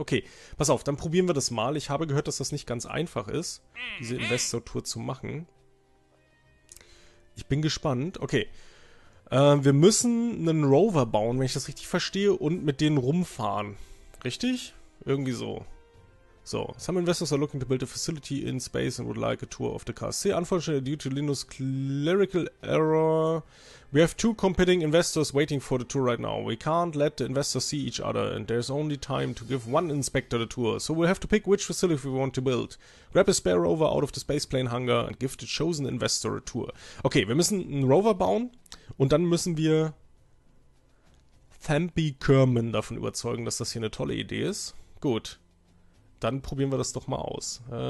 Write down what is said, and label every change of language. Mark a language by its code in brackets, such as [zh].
[de] Okay, pass auf, dann probieren wir das mal. Ich habe gehört, dass das nicht ganz einfach ist, diese Investor-Tour zu machen. Ich bin gespannt. Okay. Wir müssen einen Rover bauen, wenn ich das richtig verstehe, und mit denen rumfahren. Richtig? Irgendwie so. [en] So, some investors are looking to build a facility in space and would like a tour of the KSC. Unfortunately, due to Linus' clerical error, we have two competing investors waiting for the tour right now. We can't let the investors see each other, and there's only time to give one inspector the tour. So we'll have to pick which facility we want to build. Grab a spare rover out of the space plane hangar and give the chosen investor a tour. [de] Okay, wir müssen einen Rover bauen und dann müssen wir Thampi Kerman davon überzeugen, dass das hier eine tolle Idee ist. Gut. Dann probieren wir das doch mal aus.